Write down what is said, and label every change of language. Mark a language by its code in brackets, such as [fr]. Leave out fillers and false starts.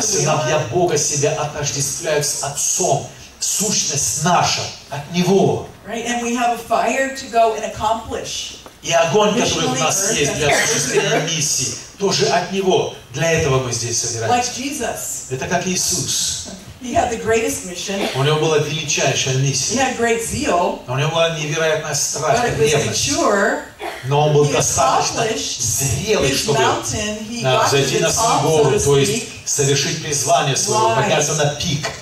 [ru] Сыновья Бога себя отождествляют с Отцом. Сущность наша от Него. [en] Right, and we have a fire to go and accomplish. [ru] И огонь, который у нас есть для осуществления миссии, тоже от Него. Для этого мы здесь собираемся. Это как Иисус. У Него была величайшая миссия. У Него была невероятная страсть, ревность. Но Он был достаточно зрелый, чтобы зайти на свою гору, то есть совершить призвание Своего, подняться на пик.